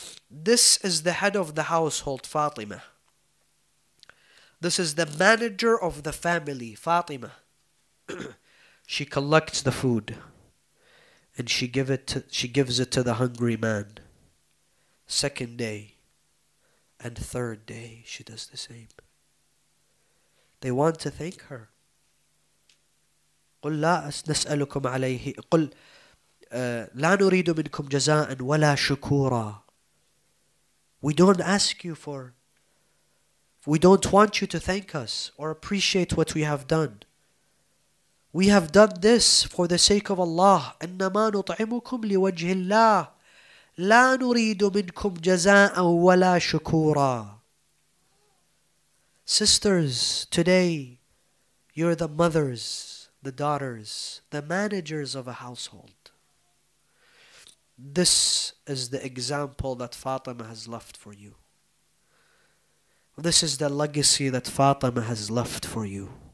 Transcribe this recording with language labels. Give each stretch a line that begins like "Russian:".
English: This is the head of the household, Fatima. This is the manager of the family, Fatima. She collects the food and she gives it to the hungry man. Second day and third day, she does the same. They want to thank her.
Arabic: قل لا نسألكم عليه قل لا نريد منكم جزاء ولا شكورا.
English: We don't ask you for, we don't want you to thank us or appreciate what we have done. We have done this for the sake of Allah.
Arabic: إنما نطعمكم لوجه الله لا نريد منكم جزاء ولا شكورا.
English: Sisters, today you're the mothers, the daughters, the managers of a household. This is the example that Fatima has left for you. This is the legacy that Fatima has left for you.